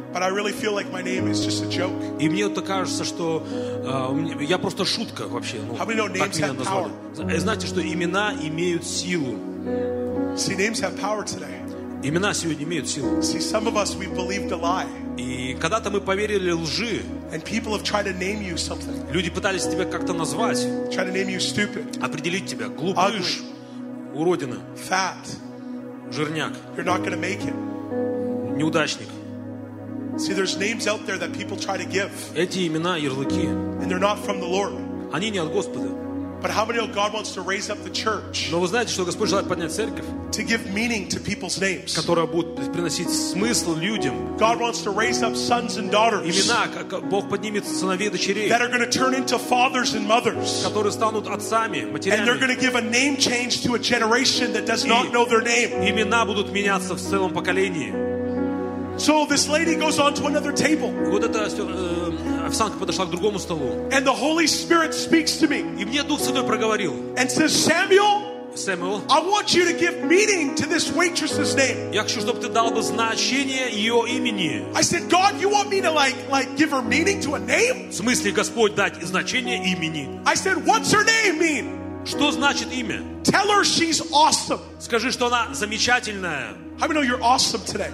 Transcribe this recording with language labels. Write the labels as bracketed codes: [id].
[en] But I really feel like my name is just a joke. [ru] И мне это кажется, что я просто шутка вообще. Ну, [en] how many know names have power? [ru] Знаете, что имена имеют силу. [en] See, names have power today. [ru] Имена сегодня имеют силу. [en] See, some of us, we believed a lie. [ru] И когда-то мы поверили лжи. [en] And people have tried to name you something. [ru] Люди пытались тебя как-то назвать. [en] Try to name you stupid. [ru] Определить тебя. Глупыш. Уродина. [en] Fat. [ru] Жирняк. [en] You're not gonna make it. [ru] Неудачник. [en] See, there's names out there that people try to give. [ru] Эти имена, ярлыки. [en] And they're not from the Lord. [ru] Они не от Господа. [en] But how many of God wants to raise up the church? [ru] Но вы знаете, что Господь желает поднять церковь, [en] to give meaning to people's names. [ru] Которая будет приносить смысл людям. [en] God wants to raise up sons and daughters. [ru] Имена, как Бог поднимет сыновей и дочерей. [en] That are going to turn into fathers and mothers. [ru] Которые станут отцами, матерями. [en] And they're going to give a name change to a generation that does not know their name. [ru] Имена будут меняться в целом поколении. [en] So this lady goes on to another table. [ru] Вот эта официантка подошла к другому столу. [en] And the Holy Spirit speaks to me. [ru] И мне Дух Святой проговорил. [en] And says, Samuel. [ru] Samuel. [en] I want you to give meaning to this waitress's name. [ru] Я хочу, чтобы ты дал бы значение ее имени. [en] I said, God, you want me to like give her meaning to a name? [ru] В смысле, Господь, дать значение имени? [en] I said, what's her name mean? [ru] Что значит имя? [en] Tell her she's awesome. [ru] Скажи, что она замечательная. [en] How many know you're awesome today?